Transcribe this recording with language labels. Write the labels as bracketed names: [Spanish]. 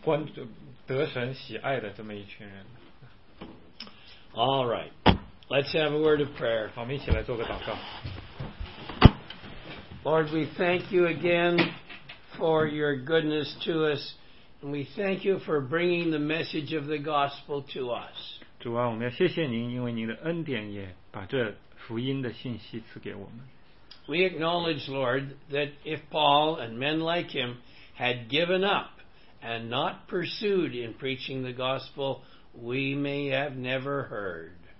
[Chinese] 受神得神喜爱的这么一群人。 [English] All right, let's have a word of prayer. [Chinese] 好，我们一起来做个祷告。 [English] Lord, we thank you again for your goodness to us, and we thank you for bringing the message of the gospel to us. [Chinese] 主啊，我们要谢谢您，因为您的恩典也把这福音的信息赐给我们。 [English] We acknowledge, Lord, that if Paul and men like him had given up and not pursued in preaching the gospel, we may have never heard.